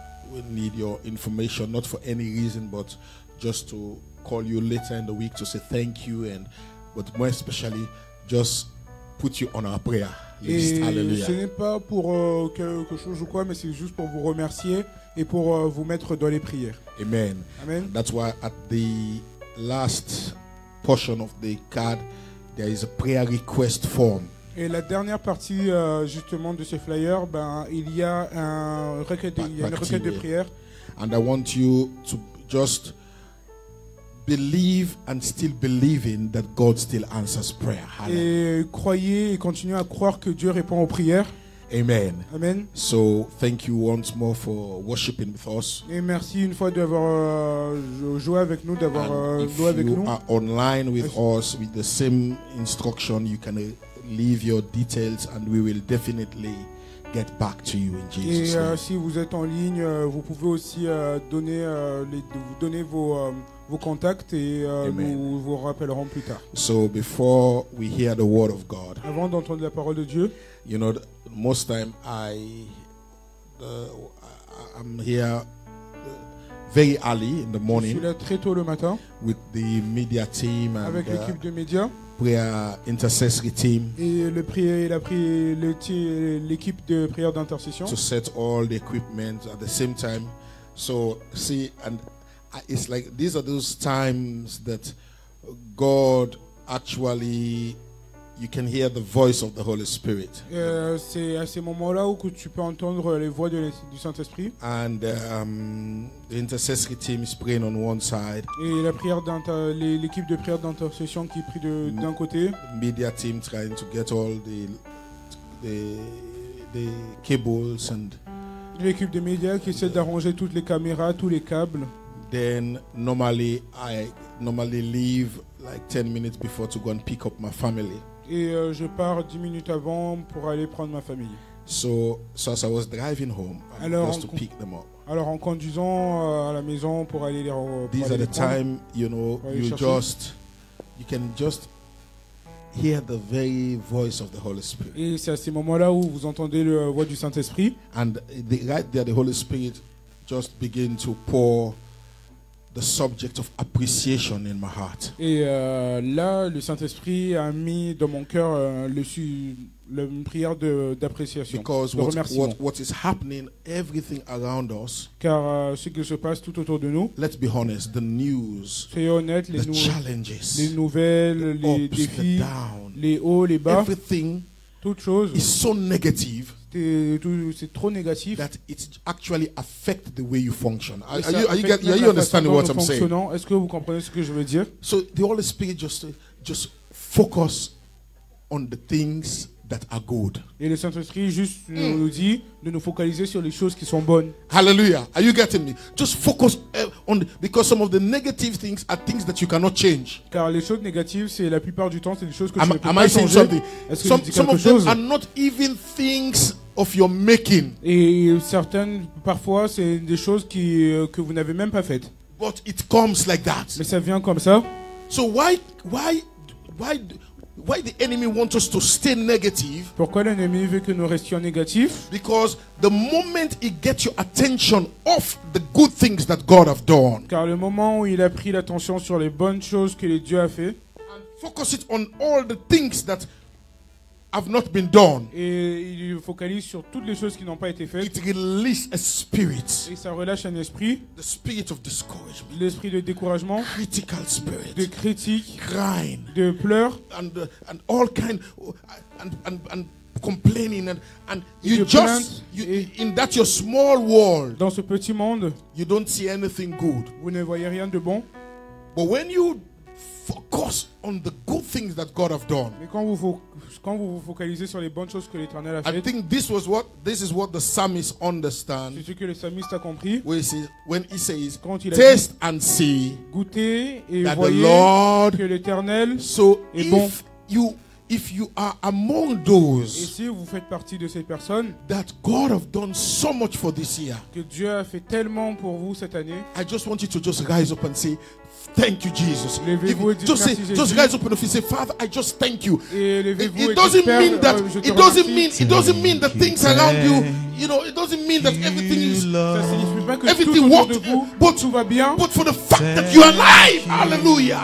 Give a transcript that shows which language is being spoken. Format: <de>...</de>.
<en>We need your information not for any reason but just to call you later in the week to say thank you and but more especially just put you on our prayer list.</en> <fr>Ce n'est pas pour quelque chose ou quoi, mais c'est juste pour vous remercier et pour vous mettre dans les prières.</fr> <en>Amen. Amen. That's why at the last portion of the card, there is a prayer request form.</en> <fr>Et la dernière partie justement de ce flyer, ben il y a un requête de prière.</fr> <en>And I want you to just believe and still believing that God still answers prayer.</en> <fr>Et croyez et continuez à croire que Dieu répond aux prières.</fr> <en>Amen. Amen. So thank you once more for worshiping with us.</en> <fr>Et merci une fois d'avoir joué avec nous, d'avoir loué avec nous.</fr> <en>If you are online with us with the same instruction, you can leave your details and we will definitely get back to you in Jesus' name.</en> <fr>Et si vous êtes en ligne, vous pouvez aussi donner vos vos contacts et nous vous rappellerons plus tard.</fr> <en>So before we hear the word of God.</en> <fr>Avant d'entendre la parole de Dieu.</fr> <en>You know, most time I'm here very early in the morning.</en> <fr>Je suis là très tôt le matin.</fr> <en>With the media team and</en> <fr>avec l'équipe de médias.</fr> <en>Prayer intercessory team.</en> <fr>Et l'équipe de prière d'intercession.</fr> <en>To set all the equipment at the same time. So see and it's like these are those times that God actually, you can hear the voice of the Holy Spirit.</en> <fr>C'est à ces moments-là où tu peux entendre les voix du Saint-Esprit.</fr> <en>And the intercessory team is praying on one side.</en> <fr>Et la prière l'équipe de prière d'intercession qui prie d'un côté.</fr> <en>Media team trying to get all the cables and.</en> <fr>L'équipe de médias qui essaie d'arranger toutes les caméras, tous les câbles.</fr> <en>Then normally I leave like 10 minutes before to go and pick up my family.</en> <fr>Et je pars 10 minutes avant pour aller prendre ma famille.</fr> <en>So as I was driving home,</en> <fr>alors,</fr> <en>just to pick them up.</en> <fr>Alors en conduisant à la maison pour aller les prendre.</fr> <en>These are the time, you know, you</en> <fr>chercher.</fr> <en>You can just hear the very voice of the Holy Spirit.</en> <fr>Et c'est à ces moments-là où vous entendez la voix du Saint-Esprit.</fr> <en>And right there, the Holy Spirit just begin to pour the subject of appreciation in my heart.</en> <fr>Et là, le Saint-Esprit a mis dans mon cœur la prière d'appréciation,</fr> <en>because</en> <fr>de remerciement.</fr> <en>What is happening, everything around us.</en> <fr>Car ce qui se passe tout autour de nous.</fr> <en>Let's be honest. The news.</en> <fr>Soyez honnête. Les</fr> <en>challenges.</en> <fr>Les nouvelles.</fr> <en>The</en> <fr>les</fr> <en>ups,</en> <fr>défis.</fr> <en>The down,</en> <fr>les hauts, les bas.</fr> <en>Everything.</en> <fr>Toutes choses.</fr> <en>Is so negative.</en> <fr>C'est trop négatif.</fr> <en>That it actually affect the way you function. Are you understanding what I'm saying?</en> <fr>Est-ce que vous comprenez ce que je veux dire?</fr> <en>So the Holy Spirit just focus on the things that are good.</en> <fr>Et le Saint-Esprit juste nous dit de nous focaliser sur les choses qui sont bonnes.</fr> <en>Hallelujah. Are you getting me? Just focus on because some of the negative things are things that you cannot change.</en> <fr>Car les choses négatives, c'est la plupart du temps, c'est des choses que tu ne peux pas changer.</fr> <en>Some of them are not even things of your making.</en> <fr>Et certaines, parfois, c'est des choses que vous n'avez même pas faites.</fr> <en>But it comes like that.</en> <fr>Mais ça vient comme ça.</fr> <en>So why the enemy wants us to stay negative?</en> <fr>Pourquoi l'ennemi veut que nous restions négatifs?</fr> <en>Because the moment he gets your attention off the good things that God has done.</en> <fr>Car le moment où il a pris l'attention sur les bonnes choses que Dieu a fait.</fr> <en>And focus it on all the things that have not been done.</en> <fr>Et il focalise sur toutes les choses qui n'ont pas été faites.</fr> <en>It releases a spirit.</en> <fr>Et ça relâche un esprit.</fr> <en>The spirit of discouragement.</en> <fr>L'esprit de découragement.</fr> <en>Critical spirit.</en> <fr>De critique.</fr> <en>Crying.</en> <fr>De pleurs.</fr> <en>And all kind and complaining and you just you, in that your small world.</en> <fr>Dans ce petit monde,</fr> <en>you don't see anything good.</en> <fr>Vous ne voyez rien de bon.</fr> <en>But when you focus on the good things that God have done.</en> <fr>Mais quand vous focalisez sur les bonnes choses que l'Éternel a fait.</fr> <en>I think this is what the psalmist understands.</en> <fr>C'est ce que le psalmiste a compris.</fr> <en>When he says,</en> <fr>quand il a</fr> <en>taste</en> <fr>dit,</fr> <en>and see,</en> <fr>goûtez et</fr> <en>that</en> <fr>voyez</fr> <en>the Lord,</en> <fr>que l'Éternel</fr> <en>so</en> <fr>est bon.</fr> <en>If you are among those,</en> <fr>et si vous faites partie de ces personnes,</fr> <en>that God have done so much for this year,</en> <fr>que Dieu a fait tellement pour vous cette année,</fr> <en>I just want you to just rise up and say, thank you, Jesus. Just rise up and say, Father, I just thank you. It doesn't mean the things around you. You know, it doesn't mean that everything is everything worked. But for the fact that you are alive, hallelujah.</en>